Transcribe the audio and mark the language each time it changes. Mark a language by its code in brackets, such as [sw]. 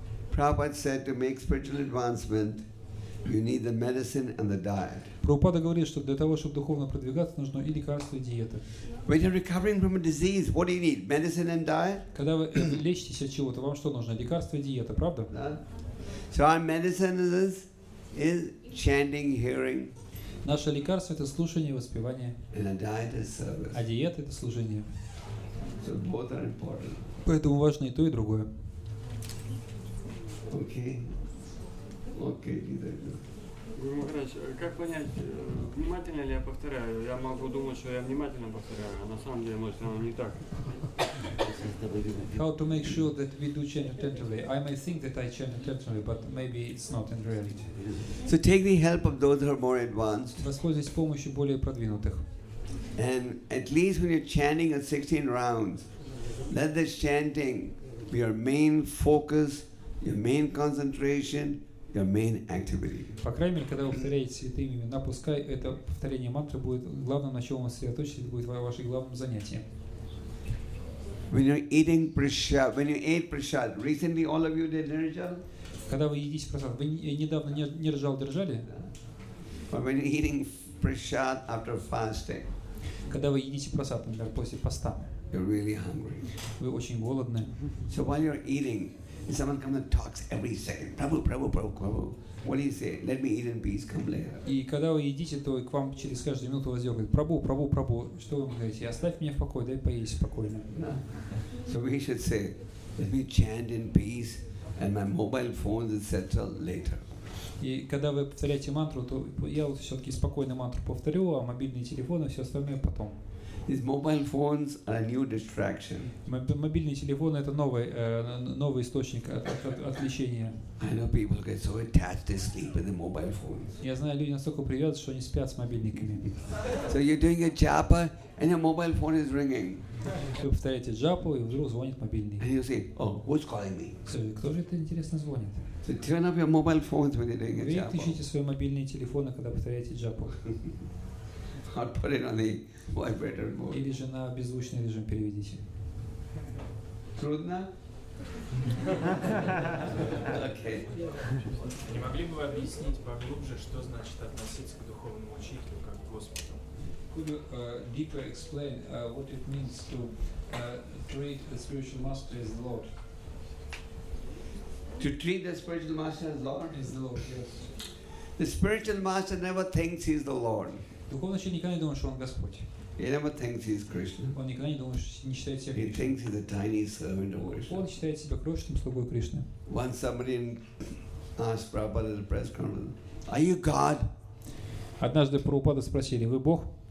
[en] Prabhupada said to make spiritual advancement, you need the medicine and the diet. [ru] Prabhupada говорит, что для того, чтобы духовно продвигаться, нужно и лекарство, и диета. [en] When you're recovering from a disease, what do you need? Medicine and diet? [ru] Когда вы лечитесь от чего-то, вам что нужно? Лекарство, и диета, правда? [en] Да. So our medicine is chanting, hearing. [ru] Наше лекарство это слушание, воспевание. [en] And a diet is service. [ru] А диета это служение. [en] So both are important. [ru] Поэтому важно и то, и другое. [en] Okay. Okay, [ru] Гуру Махарадж, как понять, внимательно ли я повторяю? Я могу думать, что я внимательно повторяю, а на самом деле, может, оно не так. [en] how to make sure that we do chant attentively. I may think that I chant attentively, but maybe it's not in reality. So take the help of those who are more advanced. [ru] Воспользуйтесь помощью более продвинутых. [en] And at least when you're chanting at 16 rounds, let this chanting be your main focus, your main concentration, your main activity. [ru] По крайней мере, когда вы повторяете святые имена, пускай это повторение мантры будет главным, на чем вы сосредоточитесь, будет вашим главным занятием. [en] When you're eating prasad, when you ate prasad, recently all of you did nirjal? [ru] Когда вы едите прасад, вы недавно нирджал держали? [en] But when you're eating prasad after fasting, [ru] когда вы едите прасад, например, после поста, [en] you're really hungry. [ru] Вы очень голодны. [en] So while you're eating, someone comes and talks every second. Prabhu, Prabhu, Prabhu, Prabhu. What do you say? Let me eat in peace. Come later. [ru] И когда вы едите, то к вам через каждую минуту возникает Прабу, Прабу, Прабу. Что вы говорите? Оставь меня в покое, дай поесть спокойно. [en] So we should say, let me chant in peace, and my mobile phone is settled later. [ru] И когда вы повторяете мантру, то я вот все-таки спокойно мантру повторю, а мобильные телефоны все остальное потом. [en] These mobile phones are a new distraction. [ru] Мобильные телефоны это новый источник отвлечения. [en] I know people get so attached to sleep with the mobile phones. [ru] Я знаю, люди настолько привязаны, что они спят с мобильниками. [en] So you're doing a japa and your mobile phone is ringing. [ru] Вы повторяете джапу и вдруг звонит мобильный. [en] And you say, oh, who's calling me? [ru] Кто же это интересно звонит? [en] So turn off your mobile phones when you're doing a japa. [ru] Вы тащите свои мобильные телефоны, когда повторяете джапу. [en] Or put it on the vibrator mode. [ru] Или же на беззвучный режим переведите. Трудно? Окей. Не могли бы вы объяснить поглубже, что значит относиться к духовному учителю как к Господу? [en] Could you deeper explain what it means to treat the spiritual master as the Lord? To treat the spiritual master as Lord? As the Lord, yes. The spiritual master never thinks he's the Lord. [ru] Духовный человек никогда не думает, что он Господь. [en] He never thinks he's Krishna. [ru] Он никогда не думает, что не считает себя. [en] He thinks he's a tiny servant of Krishna. [ru] Он считает себя крошечным слугой Кришны. [en] Once somebody asked Prabhupada at a press conference, "Are you God?" [ru] Однажды Прабхупада спросили: "Вы Бог?"